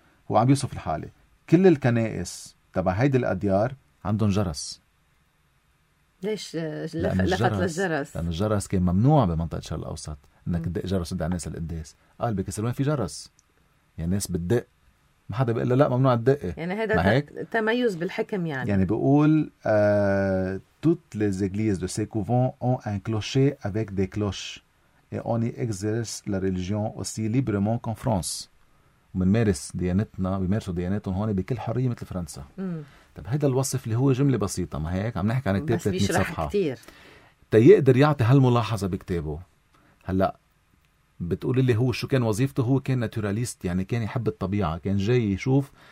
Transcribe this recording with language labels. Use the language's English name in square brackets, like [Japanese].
[Arabic] هو عم يوصف الحالة، كل الكنائس تبع هيدي الأديار عندهم جرس. ليش لفت للجرس؟ لأن الجرس كان ممنوع بمنطقة الشرق الأوسط، إنك تدق جرس تدعي الناس للقداس. قال بكسروان في جرس، يعني ناس بتدق، ما حدا بيقول لا ممنوع الدقة. يعني هذا تميز بالحكم يعني. يعني بيقول [French] toutes les églises de ces couvents ont un clocher avec des cloches et on y exerce la religion aussi librement qu'en France. [Arabic] ومنمارس ديانتنا، بيمارسوا ديانتهم هون بكل حرية مثل فرنسا. طب هيدا الوصف اللي هو جملة بسيطة، ما هيك عم نحكي عن كتاب 300 صفحة كتير. تيقدر يعطي هالملاحظة بكتابه. هلأ بتقول اللي هو شو كان وظيفته؟ هو كان ناتوراليست، يعني كان يحب الطبيعة، كان جاي يشوف